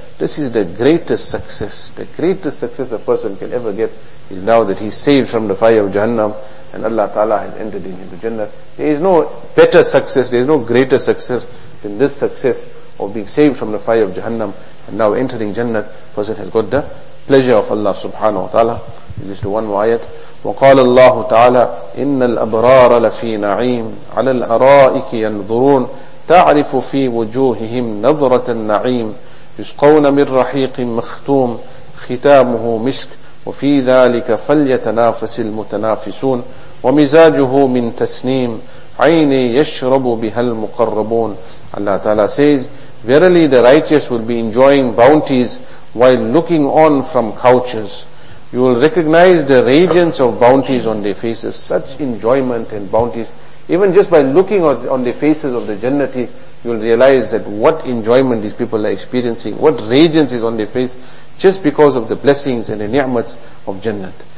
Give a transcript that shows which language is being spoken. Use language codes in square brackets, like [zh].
[en] This is the greatest success. The greatest success a person can ever get is now that he's saved from the fire of Jahannam and Allah Ta'ala has entered into Jannah. There is no better success, there is no greater success than this success of being saved from the fire of Jahannam and now entering Jannah. Person has got the pleasure of Allah Subhanahu Wa Ta'ala. Just one more ayat. [ar] وَقَالَ اللَّهُ تَعَالَى إِنَّ الْأَبْرَارَ لَفِي نَعِيمٍ عَلَى الْأَرَائِكِ يَنْظُرُونَ تعرف في وجوههم نظرة النعيم يسقون من رحيق مختوم ختامه مسك وفي ذلك فليتنافس المتنافسون ومزاجه من تسنيم عيني يشرب بها المقربون. [en] Allah Ta'ala says, verily the righteous will be enjoying bounties while looking on from couches. You will recognize the radiance of bounties on their faces. Such enjoyment and bounties. Even just by looking on the faces of the Jannatis, you'll realize that what enjoyment these people are experiencing, what radiance is on their face, just because of the blessings and the ni'mats of Jannat.